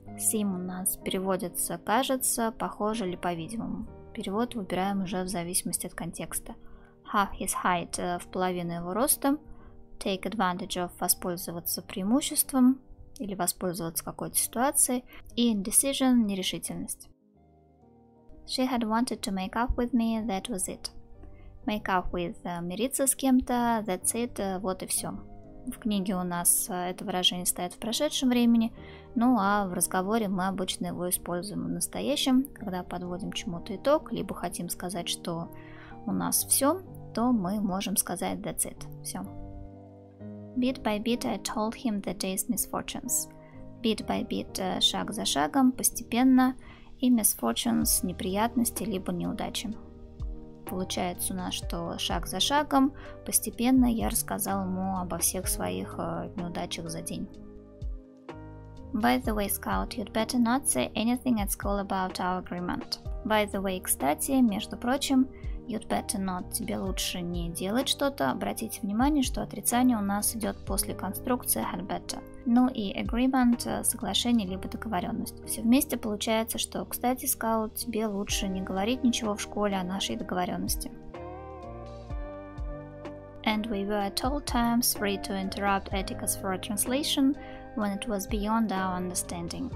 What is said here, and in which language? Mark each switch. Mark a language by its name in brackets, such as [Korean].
[Russian] Seem у нас переводится «кажется», «похоже» или «по-видимому». Перевод выбираем уже в зависимости от контекста. [English] Half his height [Russian] – в половину его роста. [English] Take advantage of [Russian] – воспользоваться преимуществом или воспользоваться какой-то ситуацией. И indecision – нерешительность. [English] She had wanted to make up with me, that was it. Make up with [Russian] – мириться с кем-то, [English] that's it [Russian] – вот и все. В книге у нас это выражение стоит в прошедшем времени, ну а в разговоре мы обычно его используем в настоящем. Когда подводим чему-то итог, либо хотим сказать, что у нас все, то мы можем сказать [English] that's it, [Russian] все. [English] Bit by bit I told him the day's misfortunes. Bit by bit [Russian] – шаг за шагом, постепенно, и misfortunes – неприятности, либо неудачи. Получается у нас, что шаг за шагом, постепенно я рассказал ему обо всех своих неудачах за день. [English] By the way, Scout, you'd better not say anything at school about our agreement. By the way, [Russian] кстати, между прочим, [English] you'd better not, [Russian] тебе лучше не делать что-то. Обратите внимание, что отрицание у нас идет после конструкции had better. Ну и agreement – соглашение либо договоренность. Все вместе получается, что, кстати, Скаут, тебе лучше не говорить ничего в школе о нашей договоренности. [English] And we were at all times free to interrupt Atticus for a translation when it was beyond our understanding.